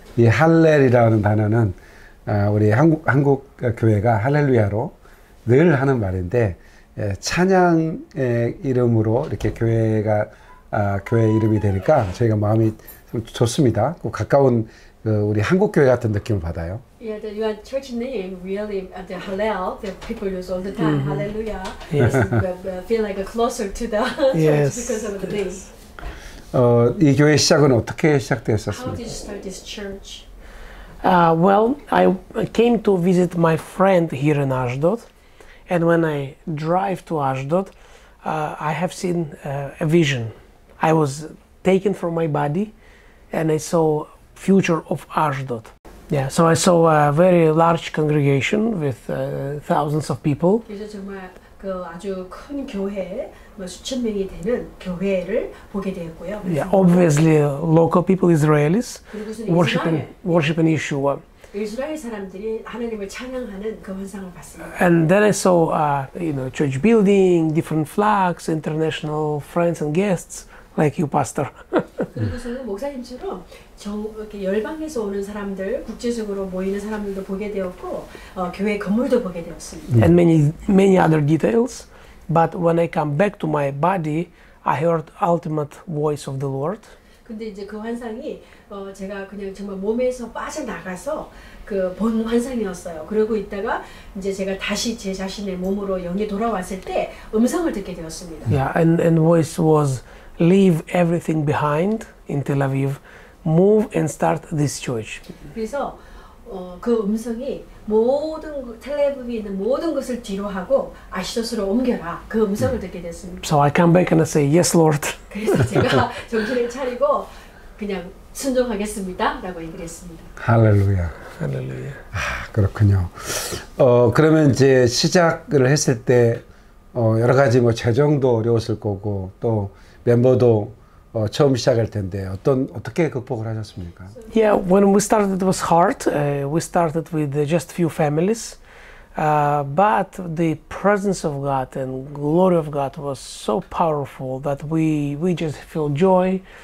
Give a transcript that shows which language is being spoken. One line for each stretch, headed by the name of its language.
Korean: 이 할렐이라는 단어는 우리 한국 교회가 할렐루야로 늘 하는 말인데, 찬양의 이름으로 이렇게 교회 이름이 되니까 저희가 마음이 좀 좋습니다. 꼭 가까운 우리 한국 교회 같은 느낌을 받아요.
English: Yeah, the your church name really the Hallel, the people use all the time. Mm-hmm. Hallelujah. Yes, Yes. feel like a closer to the church because of the name. Yes.
Korean: 이 교회 시작은 어떻게
English: How
Korean: 시작되었었습니까?
English: did you start this church? I came to visit my friend here in Ashdod, and when I drive to Ashdod, I have seen a vision. I was taken from my body, and I saw future of Ashdod. Yeah, so I saw a very large congregation with thousands of people.
Korean: 그래서 정말 그 아주 큰 교회, 뭐 수천 명이 되는 교회를 보게 되었고요.
English: Yeah, obviously, local people, Israelis,
Korean: 그리고서 이스라엘,
English: worshiping Yeshua.
Korean: 이스라엘 사람들이 하나님을 찬양하는 그 환상을 봤습니다.
English: And then I saw, church building, different flags, international friends and guests, like you, Pastor.
Korean: 그리고서는 목사님처럼 이렇게 열방에서 오는 사람들, 국제적으로 모이는 사람들도 보게 되었고, 교회 건물도 보게 되었습니다.
English: And many, many other details, but when I come back to my body, I heard ultimate voice of the Lord.
Korean: 근데 이제 그 환상이 제가 그냥 정말 몸에서 빠져나가서 그본 환상이었어요. 그러고 있다가 이제 제가 다시 제 자신의 몸으로 영이 돌아왔을 때 음성을 듣게 되었습니다.
English: Yeah, and voice was leave everything behind in Tel Aviv, move and start this church.
Korean: 그래서 그 음성이 모든 텔레비전에 있는 모든 것을 뒤로 하고 아시도스로 옮겨라 그 음성을 듣게 됐습니다.
English: So I come back and I say, Yes, Lord.
Korean: 그래서 제가 정신을 차리고 그냥 순종하겠습니다라고 얘기를 했습니다. 할렐루야. 할렐루야. 아, 그렇군요. 그러면 이제 시작을 했을 때, 여러 가지 뭐 재정도 어려웠을 거고, 또 멤버도 처음 시작할 텐데, 어떻게 극복을 하셨습니까?
English: Yeah, when we started, it was hard. We started with just a few families. But the presence of God and glory of God was so powerful that we just feel joy.